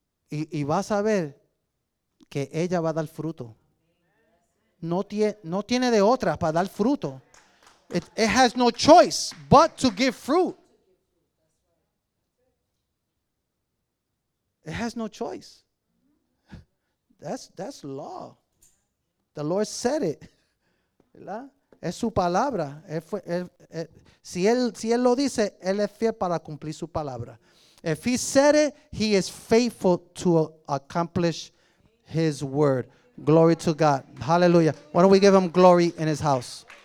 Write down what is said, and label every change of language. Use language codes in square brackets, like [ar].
[es] Y vas a ver que ella va a dar fruto. No tiene de otra para dar fruto. [en] It has no choice but to give fruit. It has no choice. That's law. The Lord said it. ¿Verdad? [es] Es su palabra. Si él lo dice, él es fiel para cumplir su palabra. [en] If he said it, he is faithful to accomplish his word. Glory to God. Hallelujah. Why don't we give him glory in his house?